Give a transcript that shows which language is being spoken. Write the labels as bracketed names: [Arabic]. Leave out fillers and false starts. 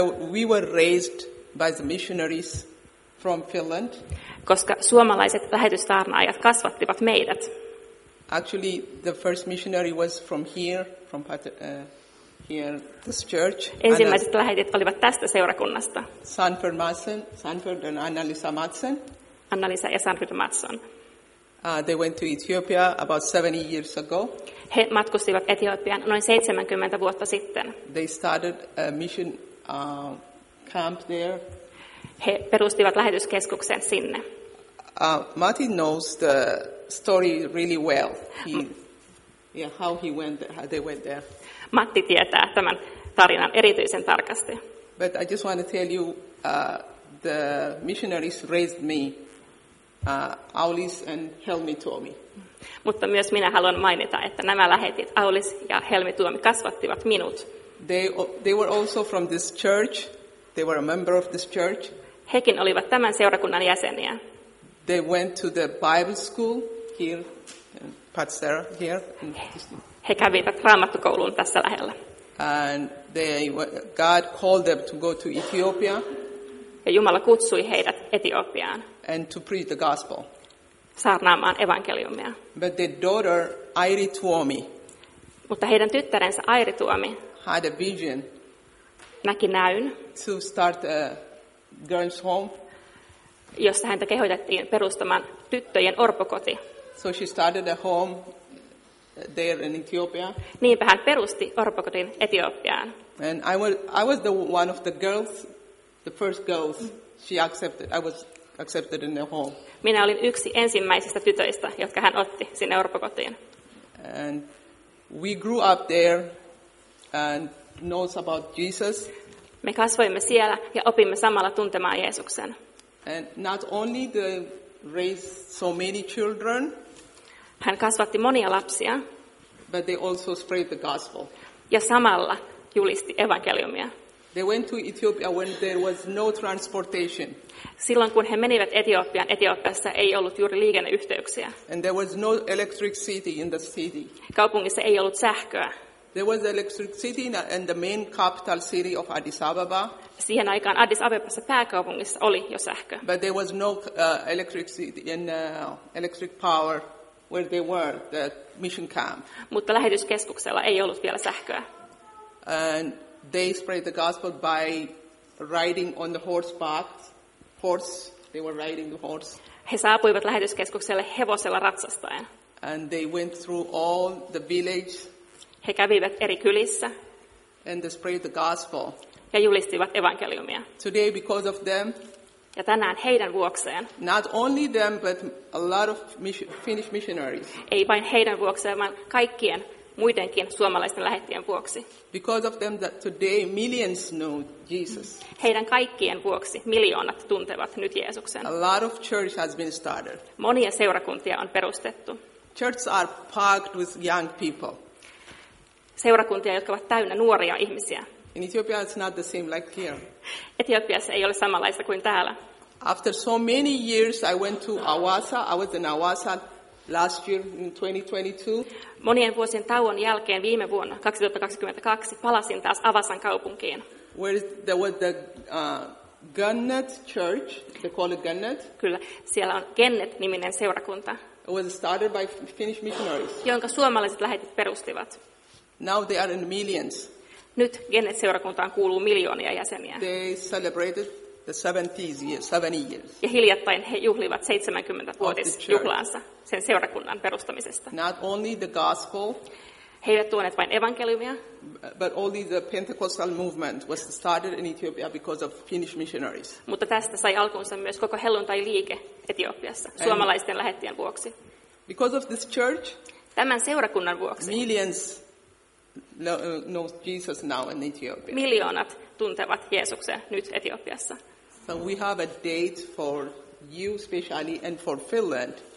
[English] We were raised by the missionaries from Finland. [Finnish] Koska suomalaiset lähetystaarnaajat kasvattivat meidät. [English] Actually, the first missionary was from here, from here this church. [Finnish] Ensimmäiset lähetit olivat tästä seurakunnasta. [English] Sanford Madsen, Sanford and Anna-Lisa Madsen. [Finnish] Anna-Lisa ja Sanford Madsen. [English] They went to Ethiopia about 70 years ago. [Finnish] He matkustivat Etiopiaan noin 70 vuotta sitten. [English] They started a mission camp there. [Finnish] He perustivat lähetyskeskuksen sinne. [English] Martin knows the story really well. How they went there. [Finnish] Matti tietää tämän tarinan erityisen tarkasti. [English] But I just want to tell you the missionaries raised me. Aulis and Helmi Tuomi. [Finnish] Mutta myös minä haluan mainita, että nämä lähetit Aulis ja Helmi Tuomi kasvattivat minut. [English] They were also from this church. They were a member of this church. [Finnish] Hekin olivat tämän seurakunnan jäseniä. [English] They went to the Bible school here, Pat Sarah here. [Finnish] He kävivät raamattukouluun tässä lähellä. [English] And God called them to go to Ethiopia. [Finnish] Ja Jumala kutsui heidät Etiopiaan. [English] And to preach the gospel. [Finnish] Saarnaamaan evankeliumia. [English] But their daughter Airi Tuomi. [Finnish] Mutta heidän tyttärensä Airi Tuomi. [English] Had a vision. [Finnish] Näki näyn. [English] To start a girls' home. [Finnish] Josta häntä kehotettiin perustamaan tyttöjen orpokoti. [English] So she started a home there in Ethiopia. [Finnish] Niinpä hän perusti orpokotin Etiopiaan. [English] And I was the one of the girls, the first girls she accepted. I was accepted in the home. [Finnish] Minä olin yksi ensimmäisistä tytöistä, jotka hän otti sinne orpokotiin. [English] And we grew up there and knows about Jesus. [Finnish] Me kasvoimme siellä ja opimme samalla tuntemaan Jeesuksen. [English] And not only the raised so many children. [Finnish] Hän kasvatti monia lapsia. [English] But they also spread the gospel. [Finnish] Ja samalla julisti evankeliumia. [English] They went to Ethiopia when there was no transportation. [Finnish] Silloin kun he menivät Etiopiaan, Etiopiassa ei ollut juuri liikenneyhteyksiä. [English] And there was no electricity in the city. [Finnish] Kaupungissa ei ollut sähköä. [English] There was electricity in the main capital city of Addis Ababa. [Finnish] Siihen aikaan Addis Abebassa pääkaupungissa oli jo sähkö. [English] But there was no electricity in electric power where they were, the mission camp. [Finnish] Mutta lähetyskeskuksella ei ollut vielä sähköä. [English] And they spread the gospel by riding on the horseback. Horse, they were riding the horse. [Finnish] He saapuivat lähetyskeskukselle hevosella ratsastaen. [English] And they went through all the village. [Finnish] He kävivät eri kylissä. [English] And they spread the gospel. [Finnish] Ja julistivat evankeliumia. [English] Today, because of them. [Finnish] Ja tänään heidän vuokseen. [English] Not only them, but a lot of Finnish missionaries. [Finnish] Ei vain heidän vuokseen, vaan kaikkien muidenkin suomalaisten lähettien vuoksi. [English] Because of them that today millions know Jesus. [Finnish] Heidän kaikkien vuoksi miljoonat tuntevat nyt Jeesuksen. [English] A lot of church has been started. [Finnish] Monia seurakuntia on perustettu. [English] Churches are packed with young people. [Finnish] Seurakuntia, jotka ovat täynnä nuoria ihmisiä. [English] In Ethiopia it's not the same like here. [Finnish] Etiopiassa ei ole samanlaista kuin täällä. [English] After so many years I went to Awasa. I was in Awasa last year in 2022. [Finnish] Monien vuosien tauon jälkeen viime vuonna 2022 palasin taas Awasan kaupunkiin. [English] Where there was the Gennet Church, they call it Gennet. [Finnish] Kyllä, siellä on Gennet niminen seurakunta. [English] It was started by Finnish missionaries. [Finnish] Jonka suomalaiset lähetit perustivat. [English] Now they are in millions. [Finnish] Nyt Genet-seurakuntaan kuuluu miljoonia jäseniä. [English] They celebrated the 70 years. [Finnish] Ja hiljattain he juhlivat 70-vuotisjuhlaansa sen seurakunnan perustamisesta. [English] Not only the gospel. [Finnish] He eivät tuoneet vain evankeliumia. [English] But only the Pentecostal movement was started in Ethiopia because of Finnish missionaries. [Finnish] Mutta tästä sai alkunsa myös koko helluntailiike Etiopiassa suomalaisten lähettien vuoksi. [English] Because of this church. [Finnish] Tämän seurakunnan vuoksi. [English] Millions know Jesus now in Ethiopia. [Finnish] Miljoonat tuntevat Jeesuksen nyt Etiopiassa. [English] So we have a date for you especially and for Finland.